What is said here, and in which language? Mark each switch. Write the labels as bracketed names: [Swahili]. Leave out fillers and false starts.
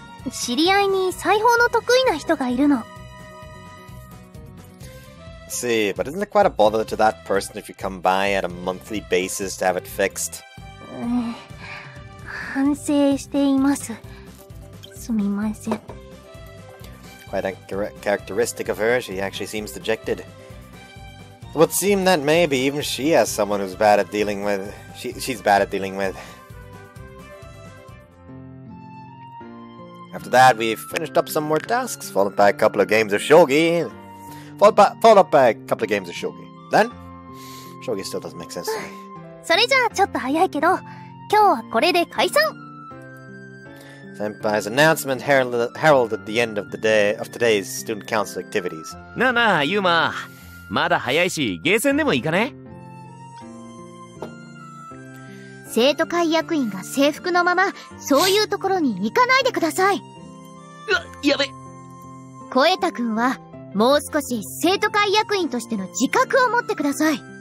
[Japanese] 知り合いに裁縫の得意な人がいるの。 [English] See, but isn't it quite a bother to that person if you come by at a monthly basis to have it fixed? [Japanese] 反省しています。すみません。 [English] Quite a characteristic of her, she actually seems dejected. It would seem that maybe even she has someone who's bad at dealing with... She's bad at dealing with. After that, we've finished up some more tasks, followed up by a couple of games of shogi. Then? Shogi still doesn't make sense to me. [Japanese] それじゃあちょっと早いけど、今日はこれで解散。 [English] Senpai's announcement heralded the end of the day of today's student council activities. [Japanese] なあなあ、ユーマ、まだ早いし、ゲーセンでも行かね。生徒会役員が制服のままそういうところに行かないでください。うわ、やべ。小枝くんはもう少し生徒会役員としての自覚を持ってください。